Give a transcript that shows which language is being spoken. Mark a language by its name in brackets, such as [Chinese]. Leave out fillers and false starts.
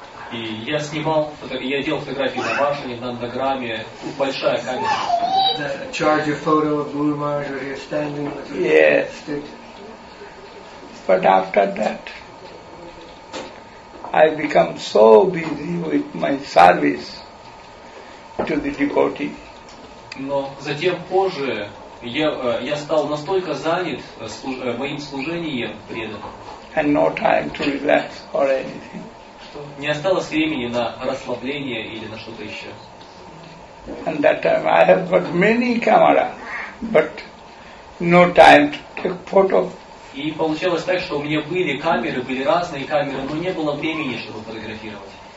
[Russian] И я снимал, я делал фотографии на Барсане, на Нандаграме, большая камера. [English] The charger photo of Guru Maharaj where he is standing with the stick. But after that, I become so busy with my service to the devotee. [Russian] Но затем позже я стал настолько занят моим служением преданным, no, что не осталось времени на расслабление или на что-то еще. [English] And that time I have got many camera, but no time to take photo. [Russian] И получалось так, что у меня были камеры, были разные камеры, но не было времени, чтобы фотографировать.